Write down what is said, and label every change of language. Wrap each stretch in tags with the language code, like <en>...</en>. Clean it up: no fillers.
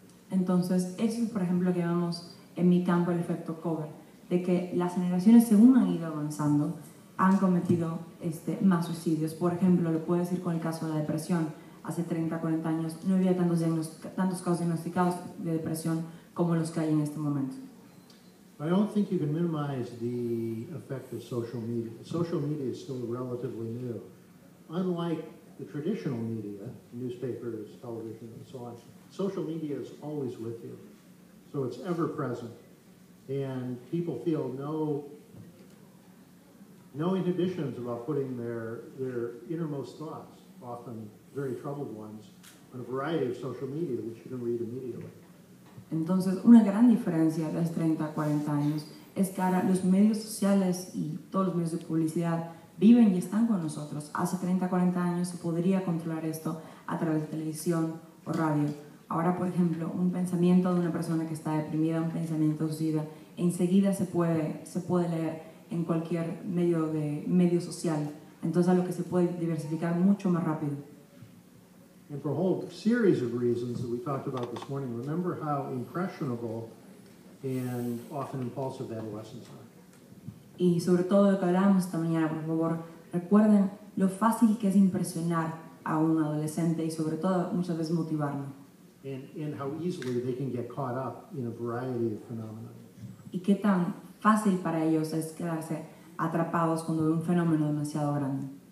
<es>Entonces, eso es, por ejemplo, que vemos en mi campo el efecto cohort, de que las generaciones, según han ido avanzando, han cometido más suicidios. Por ejemplo, lo puedo decir con el caso de la depresión. Hace 30, 40 años no había tantos casos diagnosticados de depresión como los que hay en este momento.</es> <en>I don't think you can minimize the effect of social media. Social media is still relatively new. Unlike the traditional media, newspapers, television, and so on, social media is always with you. So it's ever present. And people feel no inhibitions about putting their innermost thoughts, often very troubled ones, on a variety of social media, which you can read immediately.</en> <es>Entonces, una gran diferencia de los 30 a 40 años es que ahora los medios sociales y todos los medios de publicidad viven y están con nosotros. Hace 30 a 40 años se podría controlar esto a través de televisión o radio. Ahora, por ejemplo, un pensamiento de una persona que está deprimida, un pensamiento suicida, enseguida se puede leer en cualquier medio social. Entonces, algo que se puede diversificar mucho más rápido.</es> <en>And for a whole series of reasons that we talked about this morning, remember how impressionable and often impulsive adolescents are.</en> <es>Y sobre todo lo que hablamos esta mañana, por favor, recuerden lo fácil que es impresionar a un adolescente y sobre todo muchas veces motivarlo.</es> <en>And how easily they can get caught up in a variety of phenomena.</en> <es>Y qué tan fácil para ellos es quedarse atrapados cuando ve un fenómeno demasiado grande.</es>